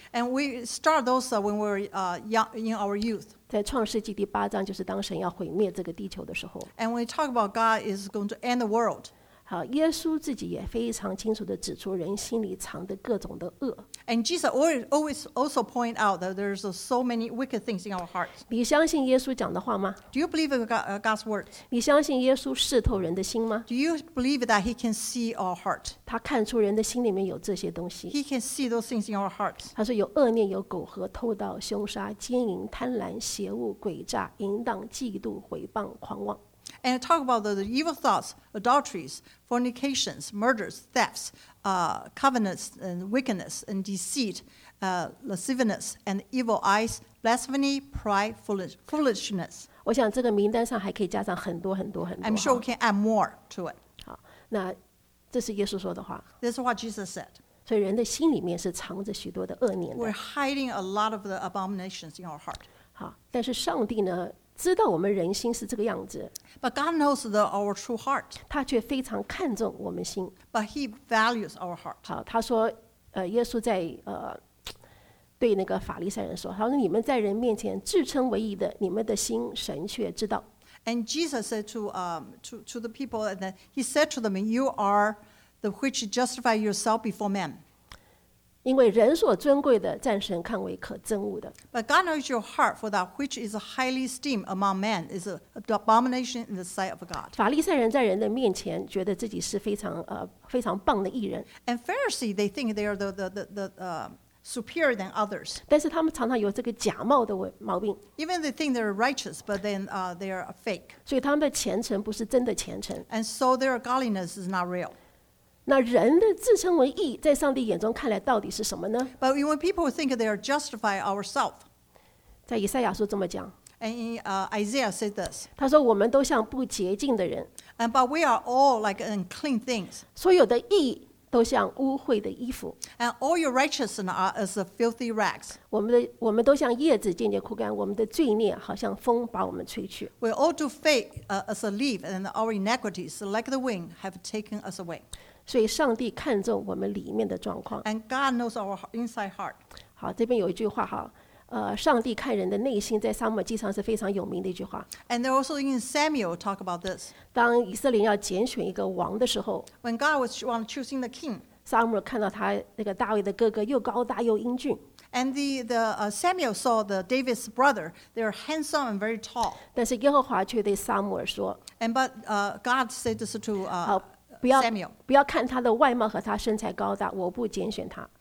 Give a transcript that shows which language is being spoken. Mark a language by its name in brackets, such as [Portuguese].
[English] And we start those when we're young in our youth. [Chinese] 在创世纪第八章，就是当神要毁灭这个地球的时候。 [English] And when we talk about God is going to end the world. [Chinese] 好，耶稣自己也非常清楚地指出人心里藏着各种的恶。 [English] And Jesus always also point out that there's so many wicked things in our hearts. [Chinese] 你相信耶稣讲的话吗 [English] ？Do you believe in God's words? [Chinese] 你相信耶稣视透人的心吗 [English] ？Do you believe that He can see our heart? [Chinese] 他看出人的心里面有这些东西。 [English] He can see those things in our hearts. [Chinese] 他说有恶念，有苟合、偷盗、凶杀、奸淫、贪婪、邪物、诡诈、淫荡、嫉妒、毁谤、狂妄。 [English] And talk about the evil thoughts, adulteries, fornications, murders, thefts, covetousness and wickedness and deceit, lasciviousness and evil eyes, blasphemy, pride, foolishness. [Chinese] 我想这个名单上还可以加上很多很多很多。 [English] I'm sure we can add more to it. [Chinese] 好，那这是耶稣说的话。 [English] This is what Jesus said. [Chinese] 所以人的心里面是藏着许多的恶念的。 [English] We're hiding a lot of the abominations in our heart. [Chinese] 好，但是上帝呢，知道我们人心是这个样子。 [English] But God knows the, our true heart. [Chinese] 他却非常看重我们心。 [English] But He values our heart. [Chinese] 好，他说，耶稣在对那个法利赛人说，他说你们在人面前自称为义的，你们的心神却知道。 [English] And Jesus said to the people, and then he said to them, "You are the which justify yourself before man." [Chinese] 因为人所尊贵的，在神看为可憎恶的。 [English] But God knows your heart, for that which is highly esteemed among men is an abomination in the sight of God. [Chinese] 法利赛人在人的面前觉得自己是非常棒的义人。 [English] And Pharisee, they think they are superior than others. [Chinese] 但是他们常常有这个假冒的毛病。 [English] Even they think they're righteous, but then they are a fake. [Chinese] 所以他们的虔诚不是真的虔诚。 [English] And so their godliness is not real. [Chinese] 那人的自称为义，在上帝眼中看来到底是什么呢？ [English] But when people think they are justified ourselves, [Chinese] 在以赛亚书这么讲。 [English] And Isaiah said this. [Chinese] 他说我们都像不洁净的人。 [English] And but we are all like unclean things. [Chinese] 所有的义都像污秽的衣服。 [English] And all your righteousness are as filthy rags. [Chinese] 我们都像叶子渐渐枯干，我们的罪孽好像风把我们吹去。 [English] We all do fade as a leaf, and our iniquities like the wind have taken us away. [Chinese] 所以上帝看重我们里面的状况。 [English] And God knows our inside heart. [Chinese] 好，这边有一句话哈，上帝看人的内心，在撒母耳记上是非常有名的一句话。 [English] And they also in Samuel talk about this. [Chinese] 当以色列要拣选一个王的时候 [English] ，When God was on choosing the king, [Chinese] 撒母耳看到他那个大卫的哥哥又高大又英俊。 [English] And Samuel saw the David's brother. They're handsome and very tall. [Chinese] 但是耶和华却对撒母耳说 [English] ，And but God said this to Samuel, [Chinese] 不要看他的外貌和他身材高大，我不拣选他。